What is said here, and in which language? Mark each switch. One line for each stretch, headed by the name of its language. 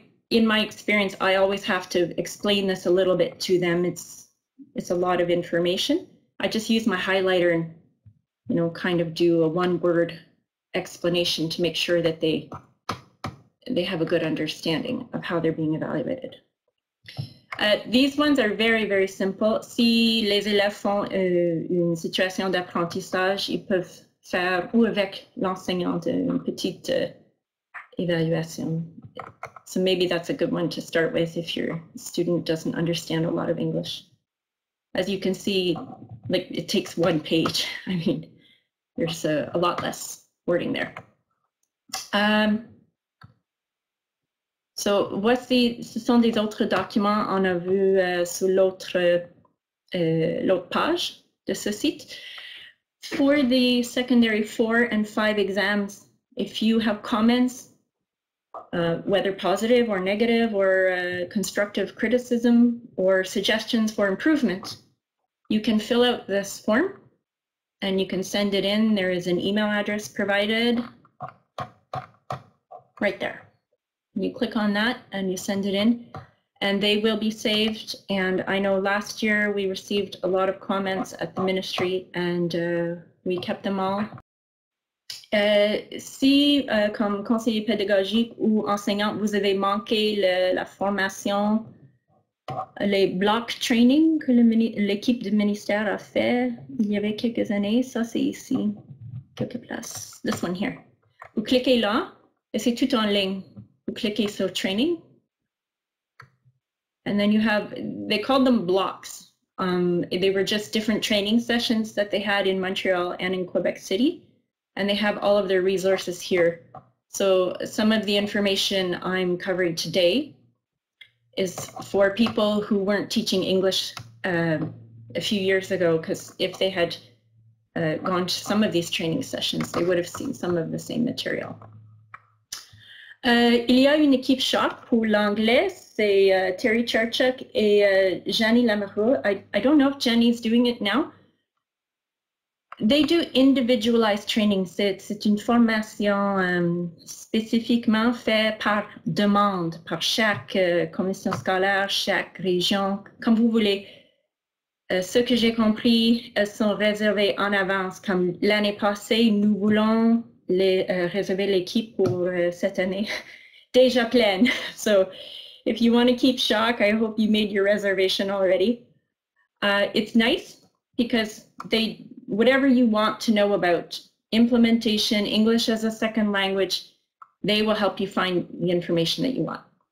English: In my experience, I always have to explain this a little bit to them. It's a lot of information. I just use my highlighter and, you know, kind of do a one word explanation to make sure that they have a good understanding of how they're being evaluated. These ones are very, very simple.
French: Si les élèves font une situation d'apprentissage, ils peuvent faire ou avec l'enseignante une petite évaluation.
English: So maybe that's a good one to start with if your student doesn't understand a lot of English. As you can see, like, it takes one page. I mean, there's a lot less wording there.
French: So voici, ce sont des autres documents on a vu sur l'autre page de ce site.
English: For the secondary 4 and 5 exams, if you have comments, whether positive or negative or constructive criticism or suggestions for improvement, you can fill out this form and you can send it in. There is an email address provided right there. You click on that and you send it in and they will be saved. And I know last year we received a lot of comments at the ministry and we kept them all.
French: Si, comme conseiller pédagogique ou enseignant, vous avez manqué la formation, les block training que l'équipe du ministère a fait il y avait quelques années, ça c'est ici, quelque place,
English: this one here.
French: Vous cliquez là et c'est tout en ligne. Vous cliquez sur training.
English: And then you have, they called them blocks. They were just different training sessions that they had in Montreal and in Quebec City. And they have all of their resources here. So some of the information I'm covering today is for people who weren't teaching English a few years ago, because if they had gone to some of these training sessions, they would have seen some of the same material.
French: Il y a une équipe choc pour l'anglais, c'est Terry Charchuk et Jenny Lamoureux.
English: I don't know if Jenny's doing it now. They do individualized training.
French: C'est une formation spécifiquement faite par demande, par chaque commission scolaire, chaque région, comme vous voulez. Ce que j'ai compris, elles sont réservées en avance. Comme l'année passée, nous voulons les réserver l'équipe pour cette année déjà pleine.
English: So, if you want to keep shock, I hope you made your reservation already. It's nice because they, whatever you want to know about implementation, English as a second language, they will help you find the information that you want.